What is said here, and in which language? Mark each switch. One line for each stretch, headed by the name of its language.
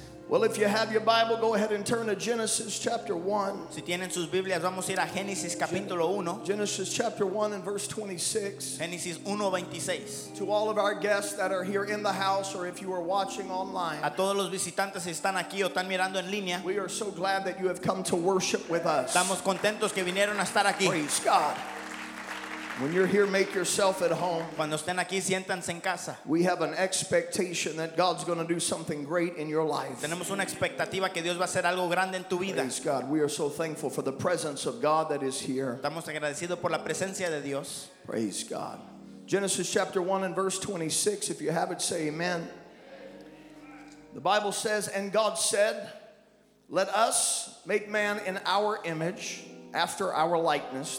English: Well, if you have your Bible, go ahead and turn to Genesis chapter 1.
Spanish: Si tienen sus Biblias, vamos a ir a Génesis capítulo 1.
English: Genesis chapter 1 and verse 26.
Spanish: Génesis 1:26.
English: To all of our guests that are here in the house or if you are watching online.
Spanish: A todos los visitantes que están aquí o están mirando en línea.
English: We are so glad that you have come to worship with us.
Spanish: Estamos contentos que vinieron a estar aquí.
English: Praise God. When you're here, make yourself at home.
Spanish: Cuando estén aquí, siéntanse en casa.
English: We have an expectation that God's going to do something great in your life.
Spanish: Tenemos una expectativa que Dios va a hacer algo grande en tu vida.
English: Praise God. We are so thankful for the presence of God that is here.
Spanish: Estamos agradecidos por la presencia de Dios.
English: Praise God. Genesis chapter 1 and verse 26. If you have it, say amen. The Bible says, and God said, let us make man in our image, after our likeness.